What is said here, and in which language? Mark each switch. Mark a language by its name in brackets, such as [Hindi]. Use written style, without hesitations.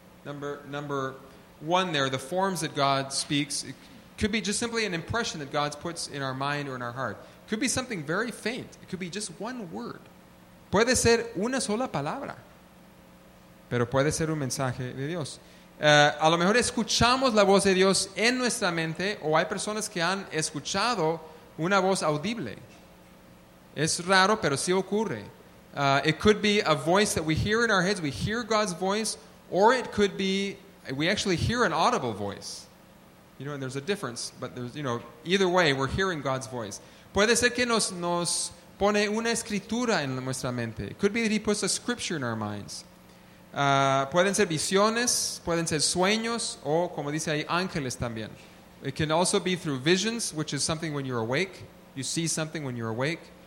[English] Number one there, the forms that God speaks, it could be just simply an impression that God puts in our mind or in our heart. It could be something very faint. It could be just one word. [Spanish] Puede ser una sola palabra, pero puede ser un mensaje de Dios. A lo mejor escuchamos la voz de Dios en nuestra mente, o hay personas que han escuchado una voz audible. Es raro, pero sí ocurre. [English] It could be a voice that we hear in our heads. We hear God's voice, or it could be we actually hear an audible voice. You know, and there's a difference, but there's, you know, either way, we're hearing God's voice. [Spanish] Puede ser que nos pone una escritura en nuestra mente. [English] It could be that He puts a scripture in our minds. [Spanish] Pueden ser visiones, pueden ser sueños, o como dice ahí, ángeles también. [English] It can also be through visions, which is something when you're awake. You see something when you're awake.